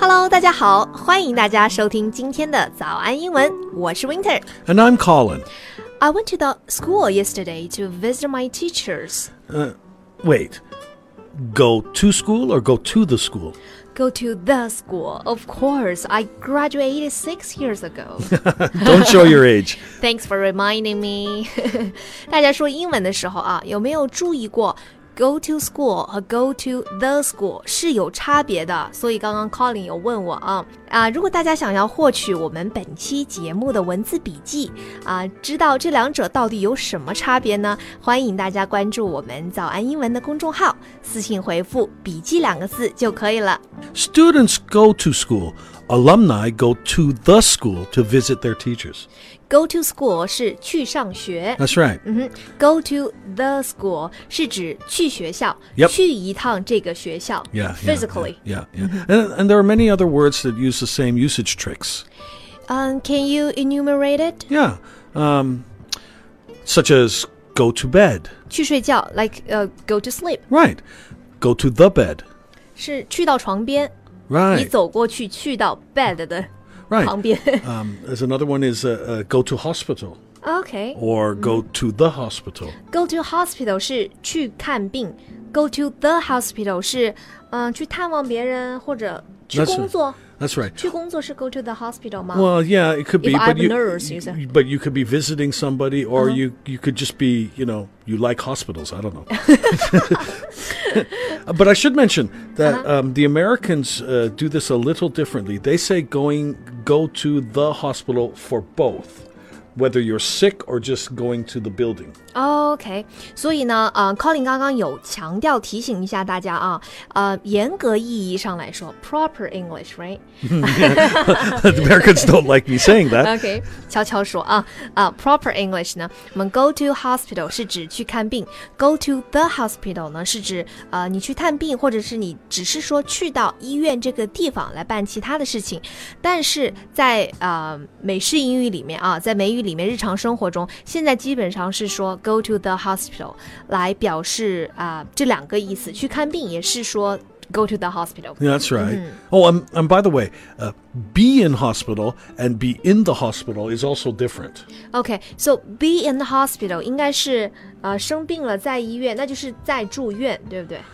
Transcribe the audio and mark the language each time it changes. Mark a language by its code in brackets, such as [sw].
[zh] 大家好，欢迎大家收听今天的早安英文。我是 Winter， [en] and I'm Colin. I went to the school yesterday to visit my teachers. Wait, go to school or go to the school? Go to the school. Of course, I graduated 6 years ago. Don't show your age. Thanks for reminding me. [zh] 大家说英文的时候啊，有没有注意过 [en] go to school [zh] 和 [en] go to the school [zh] 是有差别的？所以刚刚 Colin 有问我啊。如果大家想要获取我们本期节目的文字笔记啊，知道这两者到底有什么差别呢？欢迎大家关注我们早安英文的公众号，私信回复笔记两个字就可以了。 [en] Students go to school. Alumni go to the school to visit their teachers. [zh] Go to school 是去上学。 [en] That's right. [zh] Go to the school 是指去学校、 [en] yep. [zh] 去一趟这个学校。 [en] Yeah, physically. And there are many other words that use the same usage tricks. Can you enumerate it? Yeah. Such as go to bed. [zh] 去睡觉 [en] like go to sleep. Right. Go to the bed. [zh] 是去到床边。 [en] Right. [zh] 你走过去去到 bed 的旁边。 [en] Right. There's another one is go to hospital. Okay. Or go to the hospital. Go to hospital [zh] 是去看病。 [en] Go to the hospital [zh] 是去探望别人或者去工作。 [en] That's right. [zh] 去工作是 [en] go to the hospital [zh] 吗? [en] Well, yeah, it could be. If I'm a nurse, you say. But you could be visiting somebody, or you could just be, you know, you like hospitals. I don't know. But I should mention that the Americans do this a little differently. They say go to the hospital for both. Whether you're sick or just going to the building. Okay. [zh] 所以呢、Colin 刚刚有强调提醒一下大家啊、严格意义上来说 [en] proper English, right? The Americans don't like me saying that. Okay. [zh] 悄悄说啊、 [en] proper English [zh] 呢我们 [en] go to hospital [zh] 是指去看病 [en] go to the hospital [zh] 呢是指、你去探病或者是你只是说去到医院这个地方来办其他的事情但是在、美式英语里面啊在美语里面日常生活中现在基本上是说 go to the hospital 来表示、这两个意思去看病也是说 go to the hospital [en] yeah, that's right、mm-hmm. oh and by the way、be in hospital and be in the hospital is also different okay so be in the hospital [zh] 应该是、生病了在医院那就是在住院对不对